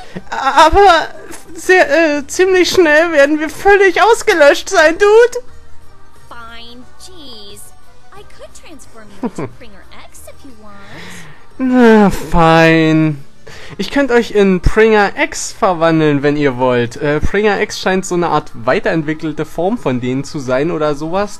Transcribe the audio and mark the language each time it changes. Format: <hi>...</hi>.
<de>Aber ziemlich schnell werden wir völlig ausgelöscht sein, Dude.</de> <en>Fine, jeez. I could transform you into Pringer X if you want.</en> <de>Na, fein. Ich könnte euch in Pringer X verwandeln, wenn ihr wollt. Pringer X scheint so eine Art weiterentwickelte Form von denen zu sein oder sowas.</de>